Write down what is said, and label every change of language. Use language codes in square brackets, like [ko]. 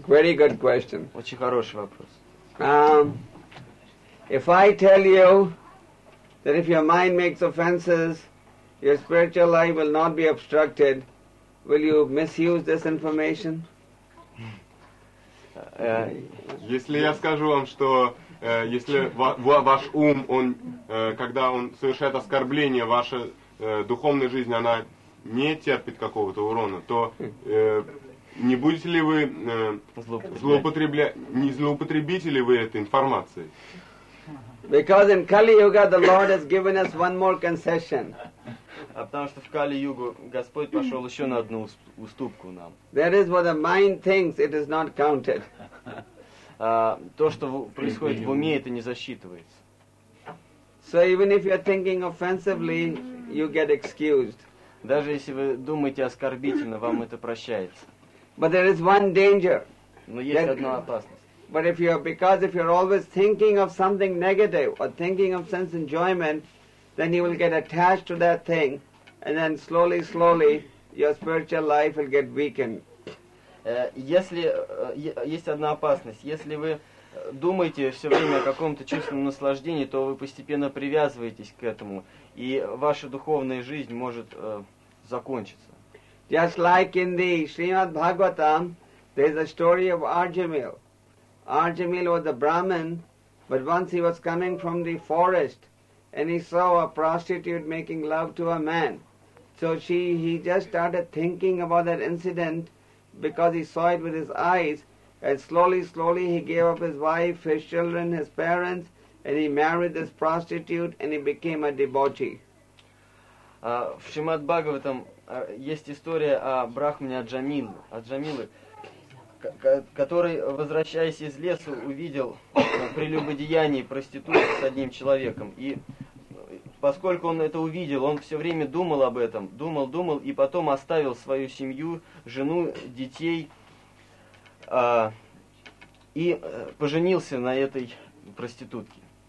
[en] Very good question. [ru] Очень хороший вопрос. [en] If I tell you that if your mind makes offenses, your spiritual life will not be obstructed, will you misuse this information? [ru] Если я скажу вам, что если ваш ум, он, когда он совершает оскорбление, ваша духовная жизнь, она не терпит какого-то урона, то не будете ли вы не злоупотребите ли вы этой информацией? [en] Because in Kali Yuga the Lord has given us one more concession. [ru] А потому что в Кали-Югу Господь пошел еще на одну уступку нам. [en] That is what the mind thinks, it is not counted. [ru] То, что происходит в уме, это не засчитывается. [en] So even if you are thinking offensively, you get excused. [ru] Даже если вы думаете оскорбительно, вам это прощается. [en] But there is one danger. [ru] Но есть одна опасность. [en] But if you are, because if you are always thinking of something negative or thinking of sense enjoyment, then you will get attached to that thing, and then slowly, slowly, your spiritual life will get weakened. [ru] Если есть одна опасность, если вы думаете все время о каком-то чувственном наслаждении, то вы постепенно привязываетесь к этому, и ваша духовная жизнь может закончиться. [en] Just like in the Srimad Bhagavatam, there is a story of Arjamil. Arjamil was a Brahmin, but once he was coming from the forest, and he saw a prostitute making love to a man. So he just started thinking about that incident because he saw it with his eyes, and slowly, slowly he gave up his wife, his children, his parents, and he married this prostitute and he became a debauchee. [ru] В Шримад Бхагаватам есть история о Брахмане Аджамиле, который, возвращаясь из леса, увидел прелюбодеяние проститутки с одним человеком. И поскольку он это увидел, он все время думал об этом, думал, и потом оставил свою семью, жену, детей, и поженился на этой проститутке.